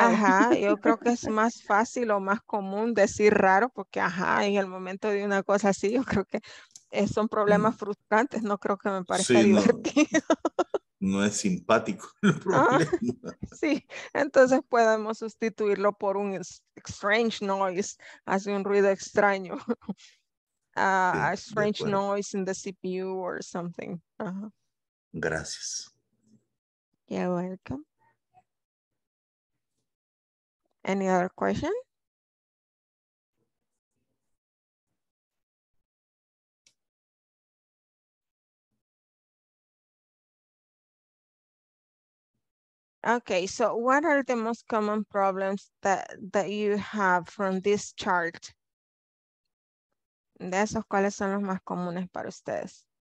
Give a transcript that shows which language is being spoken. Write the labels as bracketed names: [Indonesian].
[Spanish] Ajá, yo creo que es más fácil o más común decir raro, porque ajá, en el momento de una cosa así, yo creo que son problemas frustrantes, no creo que me parezca sí, divertido. No es simpático el problema. Ajá. Sí, entonces podemos sustituirlo por un [English] strange noise, [Spanish] hace un ruido extraño. [English] A strange noise in the CPU or something. Ajá. [Spanish] Gracias. [English] You're welcome. Any other question? Okay, so what are the most common problems that you have from this chart? [Spanish] De esos, ¿cuáles son los más comunes para ustedes?